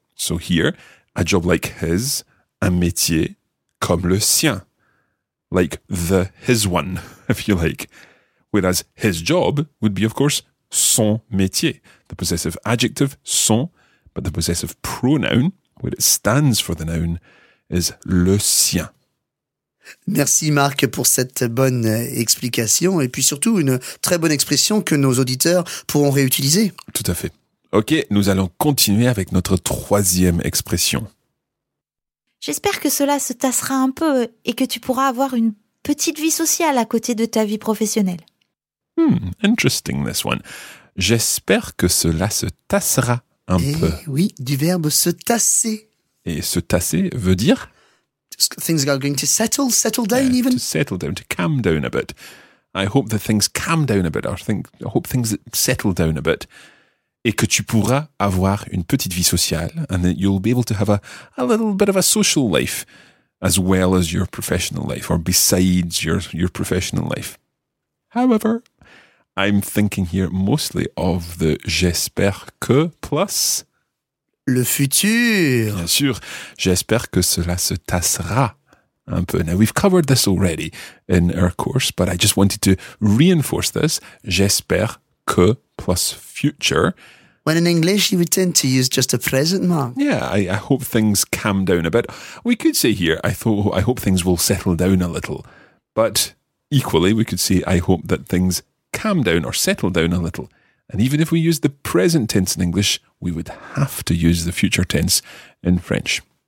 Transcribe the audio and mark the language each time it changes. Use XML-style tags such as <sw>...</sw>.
<en>So here, a job like his,</en> <fr>un métier comme le sien,</fr> <en>like the his one, if you like. Whereas his job would be, of course, son métier, the possessive adjective son, but the possessive pronoun, where it stands for the noun, is le sien.</en> <fr>Merci Marc pour cette bonne explication et puis surtout une très bonne expression que nos auditeurs pourront réutiliser. Tout à fait. Ok, nous allons continuer avec notre troisième expression. J'espère que cela se tassera un peu et que tu pourras avoir une petite vie sociale à côté de ta vie professionnelle.</fr> <en>Interesting this one.</en> <fr>J'espère que cela se tassera un peu. Oui, du verbe se tasser. Et se tasser veut dire?</fr> <en>Things are going to settle down even. To settle down, to calm down a bit. I hope that things calm down a bit. I hope things settle down a bit.</en> <fr>et que tu pourras avoir une petite vie sociale,</fr> <en>and that you'll be able to have a little bit of a social life as well as your professional life, or besides your professional life. However, I'm thinking here mostly of the j'espère que plus...</en> <fr>Le futur. Bien sûr, j'espère que cela se tassera un peu.</fr> <en>Now, we've covered this already in our course, but I just wanted to reinforce this.</en> <fr>J'espère que plus future.</fr> <en>When in English, you would tend to use just a present mark. Yeah, I hope things calm down a bit. We could say here, I hope things will settle down a little. But equally, we could say, I hope that things calm down or settle down a little. And even if we use the present tense in English, we would have to use the future tense in French.</en>